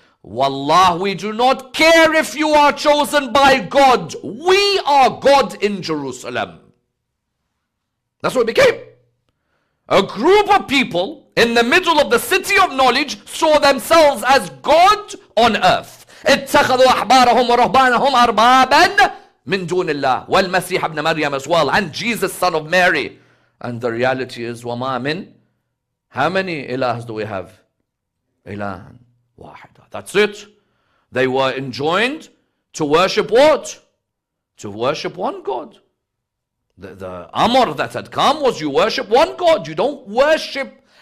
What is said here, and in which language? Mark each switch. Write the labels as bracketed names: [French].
[English] Wallah, we do not care if you are chosen by God. We are God in Jerusalem. That's what it became. A group of people in the middle of the city of knowledge saw themselves as God on earth. [Arabic] اتخذوا أحبارهم ورهبانهم أربابا من دون الله والمسيح ابن مريم [English] as well and Jesus son of Mary. And the reality is [Arabic] وما من, [English] how many إلهs do we have? [Arabic] إله واحد. [English] That's it. They were enjoined to worship what? To worship one God. The amr that had come was you worship one God. You don't worship.